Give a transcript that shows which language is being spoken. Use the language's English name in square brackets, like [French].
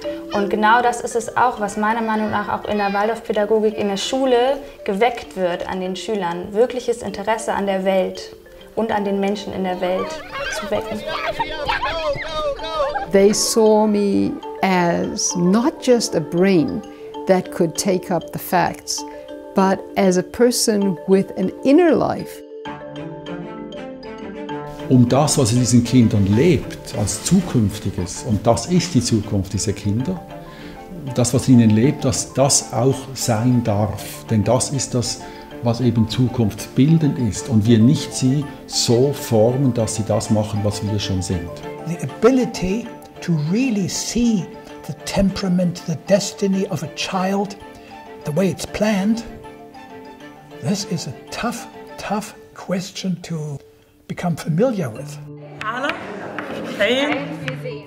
[German] Und genau das ist es auch, was meiner Meinung nach auch in der Waldorfpädagogik in der Schule geweckt wird an den Schülern. Wirkliches Interesse an der Welt und an den Menschen in der Welt zu wecken. [English] They saw me as not just a brain that could take up the facts, but as a person with an inner life. [German] Um das, was in diesen Kindern lebt, als Zukünftiges, und das ist die Zukunft dieser Kinder, das, was in ihnen lebt, dass das auch sein darf. Denn das ist das, was eben zukunftsbildend ist. Und wir nicht sie so formen, dass sie das machen, was wir schon sind. [English] The ability to really see the temperament, the destiny of a child, the way it's planned, this is a tough, tough question to become familiar with. Hello. Hey.